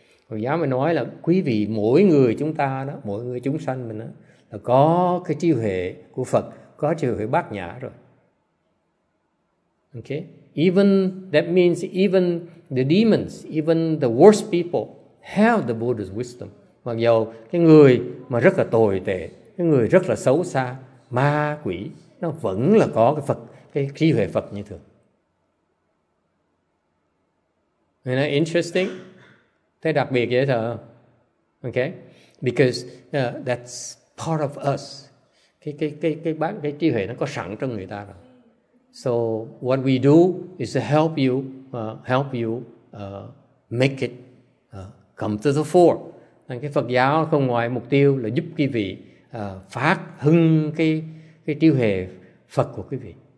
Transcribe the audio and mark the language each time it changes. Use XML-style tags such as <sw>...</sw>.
<vi>Phật giáo mới nói là quý vị mỗi người chúng ta đó, mỗi người chúng sanh mình đó, là có cái trí huệ của Phật, có trí huệ Bát Nhã rồi. Okay.</vi> <en>Even that means even the demons, even the worst people have the Buddha's wisdom.</en> <vi>Mặc dù cái người mà rất là tồi tệ, cái người rất là xấu xa, ma quỷ, nó vẫn là có cái Phật, cái trí huệ Phật như thường.</vi> <en>Isn't that interesting?</en> <vi>Thế đặc biệt vậy thờ. Okay?</vi> <en>Because that's part of us.</en> <vi>Cái trí huệ nó có sẵn trong người ta rồi.</vi> <en>So what we do is to help you make it come to the fore.</en> <vi>Nên cái Phật giáo không ngoài mục tiêu là giúp quý vị phát hưng cái trí huệ Phật của quý vị.</vi>